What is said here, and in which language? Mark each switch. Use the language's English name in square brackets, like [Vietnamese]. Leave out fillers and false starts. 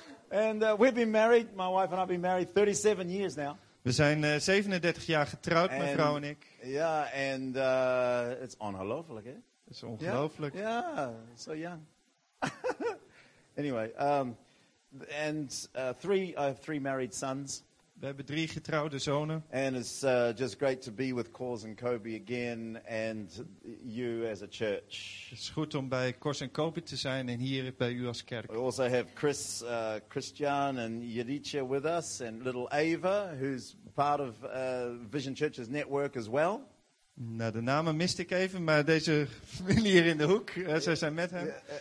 [English] And we've been married, my wife and I've been married 37 years now. [Dutch] We zijn 37 jaar getrouwd, mijn vrouw en ik. Ja, [English] and it's [Dutch] ongelooflijk, hè? Het is ongelooflijk. [English] Ja, yeah, so young. Anyway, I have 3 married sons. [Dutch] We hebben 3 getrouwde zonen. [English] And it's just great to be with Cors and Kobe again and you as a church. [Dutch] Het is goed om bij Cors en Kobe te zijn en hier bij u als kerk. [English] We also have Christian and Yericha with us and little Ava who's part of Vision Church's network as well. [Dutch] Nou, de namen miste ik even, maar deze familie hier in de hoek, zij zijn met hem.